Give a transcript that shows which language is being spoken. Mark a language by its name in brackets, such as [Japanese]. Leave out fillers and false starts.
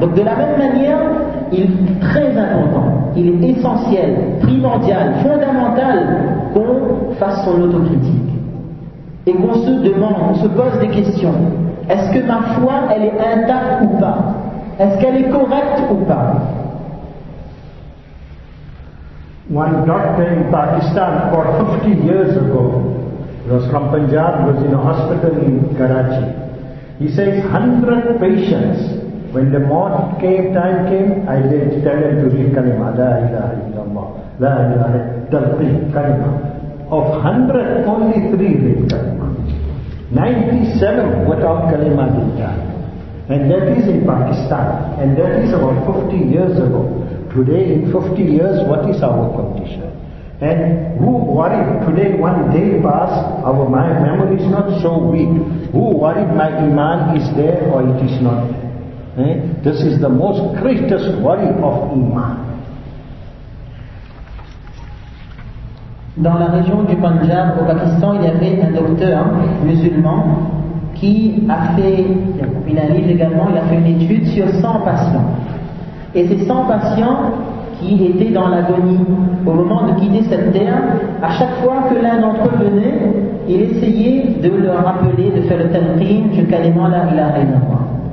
[French] Donc de la même manière, il est très important, il est essentiel, primordial, fondamental, qu'on fasse son autocritique. Et qu'on se demande, on se pose des questions. Est-ce que ma foi, elle est intacte ou pas? Est-ce qu'elle est correcte ou pas? [English] One doctor in Pakistan about 50 years ago, he was from Punjab, was in a hospital in Karachi. He says 100 patients, when the mort came, time came, I did tell them to read kalima, [Arabic] la ilaha illallah, la ilaha illallah, [English] kalima. Of 100, only 3 read kalima. 97 without kalima did die. And that is in Pakistan. And that is about 50 years ago. Today, in 50 years, what is our condition? And who worried today, one day passed, my memory is not so weak. Who worried my iman is there or it is not there? This is the most greatest worry of iman. [French] Dans la région du Punjab, au Pakistan, il y avait un docteur musulman qui a fait, il a un livre également, il a fait une étude sur 100 patients. Et ces 100 patients qui étaient dans l'agonie au moment de quitter cette terre, à chaque fois que l'un d'entre eux venait, il essayait de leur rappeler, de faire le talqin, du kalimah [Arabic] la ilaha illallah.